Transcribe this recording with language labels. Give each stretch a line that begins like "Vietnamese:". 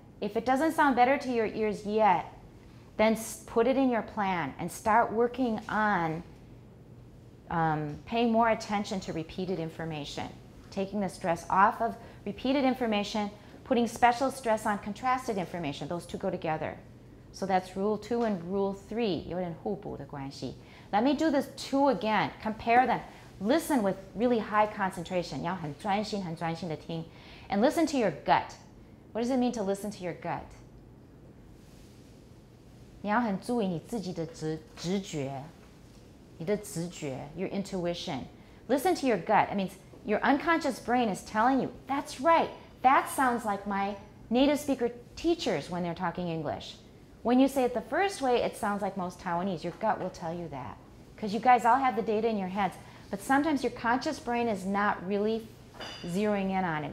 English: If it doesn't sound better to your ears yet, then put it in your plan and start working on paying more attention to repeated information, taking the stress off of repeated information, putting special stress on contrasted information. Those two go together. So that's rule two and rule three,
Chinese: 有点互补的关系。
English: Let me do this two again, compare them. Listen with really high concentration,
Chinese: 要很专心很专心的听。
English: And listen to your gut. What does it mean to listen to your gut?
Chinese: 你要很注意你自己的直觉。你的直觉
English: your intuition. Listen to your gut. It means your unconscious brain is telling you, that's right, that sounds like my native speaker teachers when they're talking English. When you say it the first way, it sounds like most Taiwanese. Your gut will tell you that. Because you guys all have the data in your heads, but sometimes your conscious brain is not really zeroing in on it.